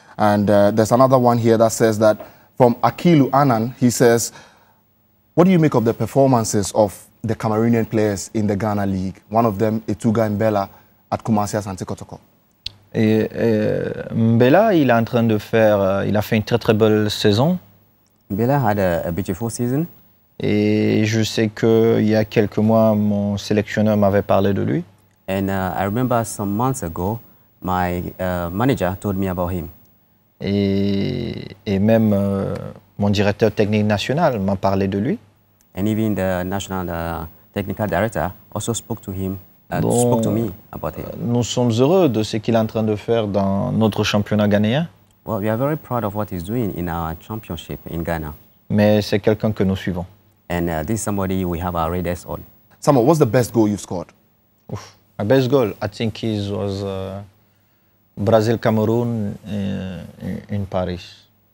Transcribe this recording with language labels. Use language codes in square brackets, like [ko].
[en] And there's another one here that says that, from Akilu Anan, he says, what do you make of the performances of the Cameroonian players in the Ghana League? One of them, Etuga and Bella at Kumasi Asante Kotoko. [fr] Mbela, il est en train de faire, il a fait une très très belle saison. [en] Mbela had a beautiful season. [fr] Et je sais que il y a quelques mois, mon sélectionneur m'avait parlé de lui. [en] And I remember some months ago, my manager told me about him. [fr] Et même mon directeur technique national m'a parlé de lui. [en] And even the national technical director also spoke to him. Spoke to me about him. [fr] Nous sommes heureux de ce qu'il est en train de faire dans notre championnat ghanéen. [en] Well, we are very proud of what he's doing in our championship in Ghana. [fr] Mais c'est quelqu'un que nous suivons. [en] And this is somebody we have our radars on. Samo, what's the best goal you've scored? Oof. My best goal, I think, was Brazil Cameroon in Paris.